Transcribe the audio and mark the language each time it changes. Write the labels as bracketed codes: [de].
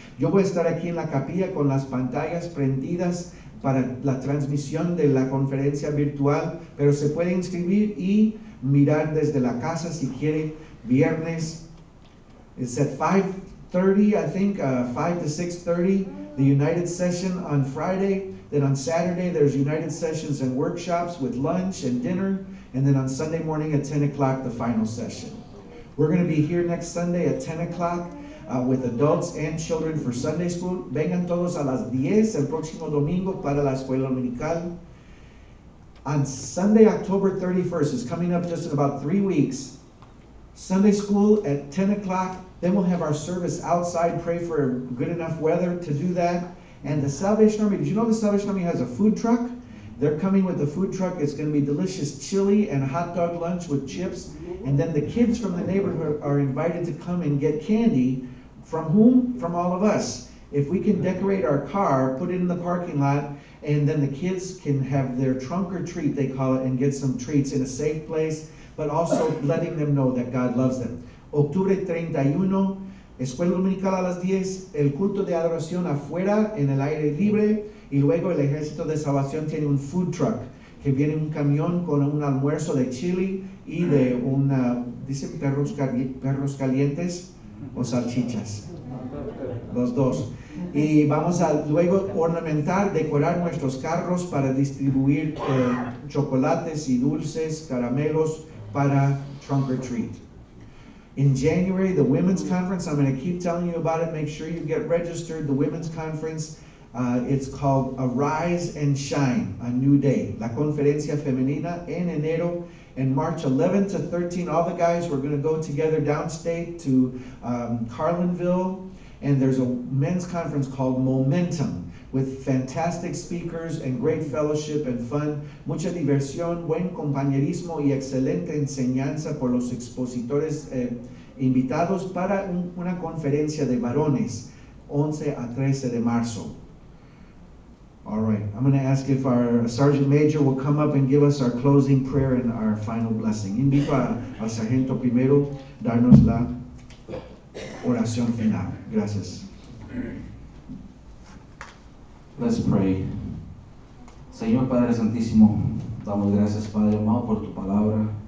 [es] Yo voy a estar aquí en la capilla con las pantallas prendidas para la transmisión de la conferencia virtual, pero se puede inscribir y mirar desde la casa si quiere, viernes. [en] It's at 5:30, I think, 5 to 6:30, the United Session on Friday. Then on Saturday, there's United Sessions and workshops with lunch and dinner. And then on Sunday morning at 10 o'clock, the final session. We're going to be here next Sunday at 10 o'clock with adults and children for Sunday school. [es] Vengan todos a las 10 el próximo domingo para la escuela dominical. [en] On Sunday, October 31st, is coming up just in about 3 weeks. Sunday school at 10 o'clock. Then we'll have our service outside. Pray for good enough weather to do that. And the Salvation Army, did you know the Salvation Army has a food truck? They're coming with a food truck. It's going to be delicious chili and hot dog lunch with chips. And then the kids from the neighborhood are invited to come and get candy. From whom? From all of us. If we can decorate our car, put it in the parking lot, and then the kids can have their trunk or treat, they call it, and get some treats in a safe place, but also letting them know that God loves them. [es] Octubre 31, Escuela Dominical a las 10, el culto de adoración afuera, en el aire libre, y luego el Ejército de Salvación tiene un food truck, que viene un camión con un almuerzo de chili y de una, dicen perros calientes o salchichas. Los dos. Y vamos a luego ornamentar, decorar nuestros carros para distribuir chocolates y dulces, caramelos para trunk or treat. [en] In January, the Women's Conference, I'm going to keep telling you about it. Make sure you get registered. The Women's Conference, it's called Arise and Shine, A New Day. [es] La Conferencia Femenina en enero. [en] And March 11th to 13th, all the guys, we're going to go together downstate to Carlinville. And there's a men's conference called Momentum with fantastic speakers and great fellowship and fun. [es] Mucha diversión, buen compañerismo y excelente enseñanza por los expositores invitados para una conferencia de varones, 11 a 13 de marzo. [en] All right, I'm going to ask if our Sergeant Major will come up and give us our closing prayer and our final blessing. [es] Invito al Sargento Primero darnos la oración final. Gracias. [en] Let's pray. [es] Señor Padre Santísimo, damos gracias, Padre Amado, por tu palabra.